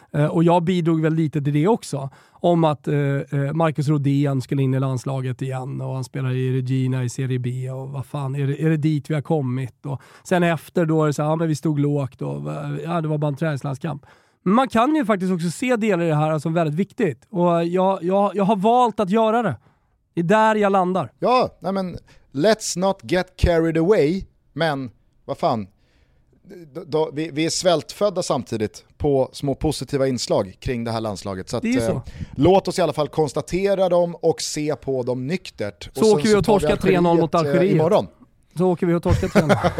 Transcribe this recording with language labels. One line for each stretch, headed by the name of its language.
Swedish: Och jag bidrog väl lite till det också. Om att Marcus Rodén skulle in i landslaget igen, och han spelar i Regina i Serie B, och vad fan, är det dit vi har kommit? Och sen efter då är det så här, ja, men vi stod lågt och ja, det var bara en träningslandskamp. Man kan ju faktiskt också se delar i det här som väldigt viktigt. Och jag har valt att göra det. Det är där jag landar. Ja, nej men
English: let's not get carried away.
Swedish: Men vad fan, vi är svältfödda samtidigt på små positiva inslag kring det här landslaget. Så att, det är så. Låt oss i alla fall konstatera dem och se på dem nyktert. Så och sen åker vi och torska 3-0 mot Algeriet. Imorgon. Så åker vi och torska 3-0.